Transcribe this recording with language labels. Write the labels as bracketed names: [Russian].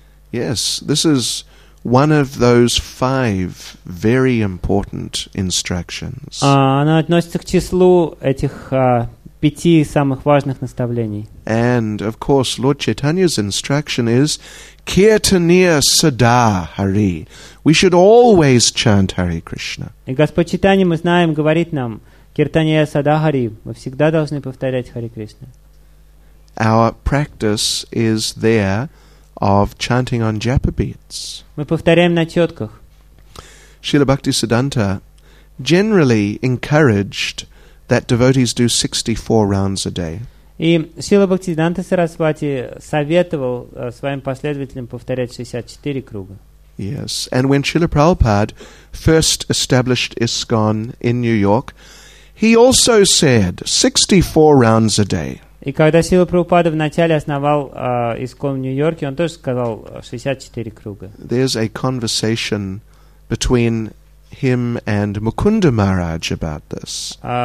[English] Yes, this is one of those five very important instructions. [Russian] Она относится к числу этих пяти самых важных наставлений. [English] And of course, Lord Chaitanya's instruction is [Sanskrit] Kirtaniya Sada Hari. [English] We should always chant Hare Krishna. [Russian] И Господь Чайтанья, мы знаем, говорит нам [Sanskrit] Киртания Сада Хари. [Russian] Мы всегда должны повторять Хари Кришна. [English] Our practice is there of chanting on japa beads. [Russian] Мы повторяем на четках. [English] Srila Bhakti Siddhanta generally encouraged that devotees do 64 rounds a day. [Russian] И Шрила Бхактисиддханта Сарасвати советовал своим последователям повторять 64 круга. [English] Yes, and when Srila Prabhupada first established ISKCON in New York, he also said 64 rounds a day. [Russian] И когда Шрила Прабхупада вначале основал ISKCON в Нью-Йорке, он тоже сказал 64 круга. [English] There's a conversation between him and Mukunda Maharaj about this.